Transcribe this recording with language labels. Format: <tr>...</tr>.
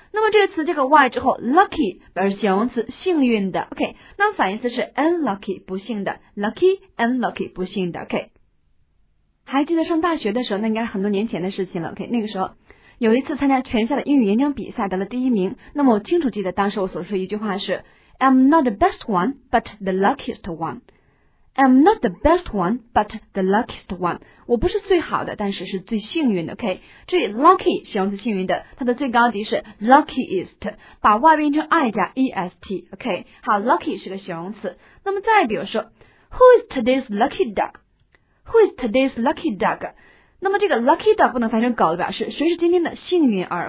<zh>那么这个词这个 y 之后 ，lucky 表示形容词，幸运的。 OK, 那么反义词是 unlucky 不幸的 ，lucky unlucky 不幸的。 OK。还记得上大学的时候，那应该是很多年前的事情了。OK, 那个时候有一次参加全校的英语演讲比赛，得了第一名。那么我清楚记得当时我所说的一句话是 ：</zh> <en>I'm not the best one, but the luckiest one. I'm not the best one, but the luckiest one.</en> <zh>我不是最好的，但是是最幸运的。OK, 注意 lucky 形容词幸运的，它的最高级是 luckiest, 把 y 变成 i 加 est。 OK, 好 ，lucky 是个形容词。那么再比如说</zh> <en>，Who is today's lucky dog? Who is today's lucky dog?</en> <zh>那么这个</zh> <en>lucky dog</en> <zh>不能翻译成狗的表示谁是今天的幸运儿。</zh>